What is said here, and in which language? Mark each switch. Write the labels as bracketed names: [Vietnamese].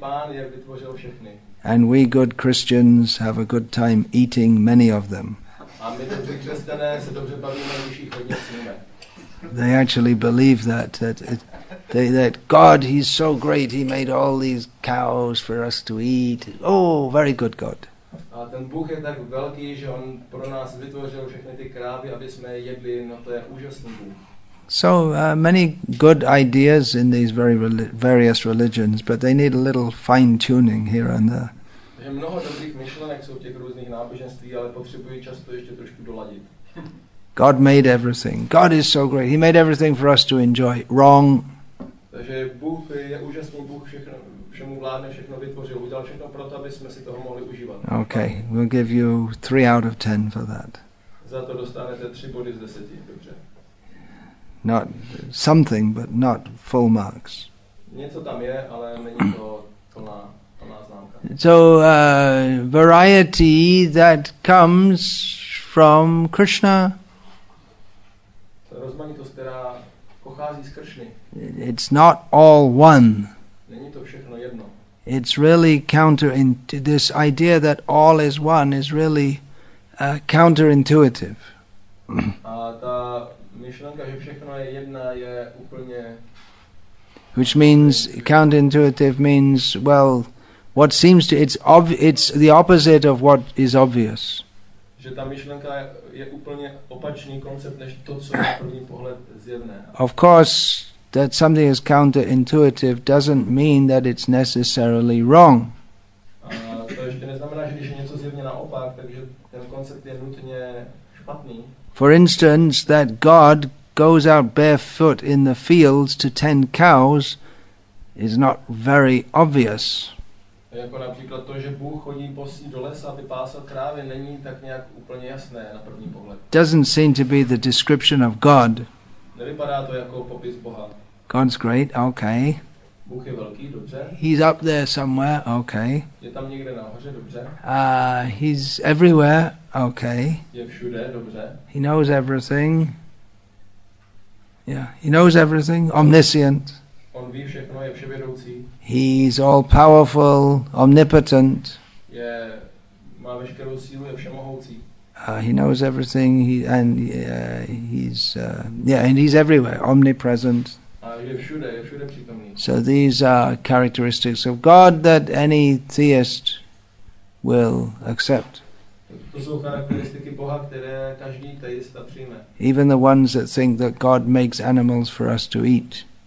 [Czech] pán je vytvořil všechny. [English] And we good Christians have a good time eating many of them. [Czech] A my dobře křesťané se dobře bavíme, když jich hodně sníme. [English] They actually believe that God, he's so great, he made all these cows for us to eat. Oh, very good God. [Czech] A ten Bůh je tak velký, že on pro nás vytvořil všechny ty krávy, aby jsme jedli, no to je úžasný Bůh. [English] So many good ideas in these very various religions, but they need a little fine tuning here and there. [Czech] Takže mnoho dobrých myšlenek jsou v těch různých náboženstvích, ale potřebují často ještě trošku doladit. [English] God made everything. God is so great. He made everything for us to enjoy. Wrong. [Czech] Takže Bůh je úžasný, Bůh všechno, všemu vládne, všechno vytvořil, udělal všechno proto, aby jsme si toho mohli užívat. [English] Okay, we'll give you 3 out of 10 for that. [Czech] Za to dostanete 3 body z 10, dobře. [English] Not something, but not full marks. [Czech] Něco tam je, ale není to plná. [English] So, variety that comes from Krishna. [Czech] Rozmanitost, která pochází z Kršny. [English] It's not all one. [Czech] Není to všechno jedno. [English] It's really counterintuitive. This idea that all is one is really counterintuitive. [Czech] A ta myšlenka, že všechno je jedna, je úplně... [English] Which means, counterintuitive means, well... What seems to it's the opposite of what is obvious. [Czech] Že ta myšlenka je úplně opačný koncept než to, co na první pohled zjevné. [English] Of course, that something is counterintuitive doesn't mean that it's necessarily wrong. [Czech] To ještě neznamená, že když je něco zjevně naopak, takže ten koncept je nutně špatný. [English] For instance, that God goes out barefoot in the fields to tend cows is not very obvious. [Czech] Jako například to, že Bůh chodí bosý do lesa, aby pásl krávy, není tak nějak úplně jasné na první pohled. [English] Doesn't seem to be the description of God. [Czech] Nevypadá to jako popis Boha. [English] God's great, okay. [Czech] Bůh je velký, dobře. [English] He's up there somewhere, okay. [Czech] Je tam někde nahoře, dobře. [English] He's everywhere, okay. [Czech] Je všude, dobře. [English] He knows everything. Yeah, he knows everything, omniscient. [Czech] On ví všechno, je vševědoucí. [English] He's all powerful, omnipotent. [Czech] Je, má veškerou sílu, je všemohoucí. [English] He knows everything, he's everywhere, omnipresent. [Czech] Je všude přítomný. [English] So these are characteristics of God that any theist will accept. [Czech] To jsou charakteristiky Boha, které každý teista přijme. [English] Even the ones that think that God makes animals for us to eat.